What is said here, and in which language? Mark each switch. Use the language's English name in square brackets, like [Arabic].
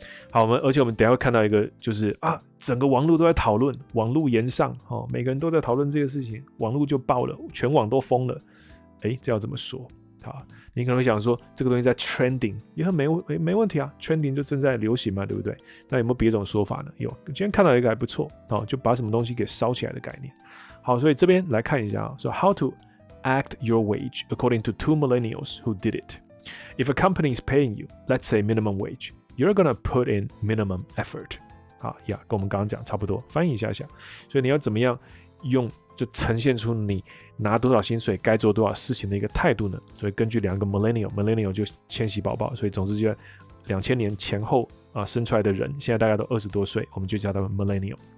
[Chinese] 好，我们等一下会看到一个，就是啊，整个网络都在讨论，网络炎上、哦、每个人都在讨论这个事情，网络就爆了，全网都疯了。哎，这要怎么说？好，你可能会想说，这个东西在 trending 也很没问题啊 ，trending 就正在流行嘛，对不对？那有没有别种说法呢？有，今天看到一个还不错、哦、就把什么东西给烧起来的概念。好，所以这边来看一下啊，说、 [English] so、how to act your wage according to two millennials who did it. If a company is paying you, let's say minimum wage. You're gonna put in minimum effort. [Chinese] 好呀，跟我们刚刚讲差不多，翻译一下下。所以你要怎么样用就呈现出你拿多少薪水该做多少事情的一个态度呢？所以根据两个 millennial 就千禧宝宝，所以总之就2000年前后啊生出来的人，现在大概都20多岁，我们就叫他们 millennial。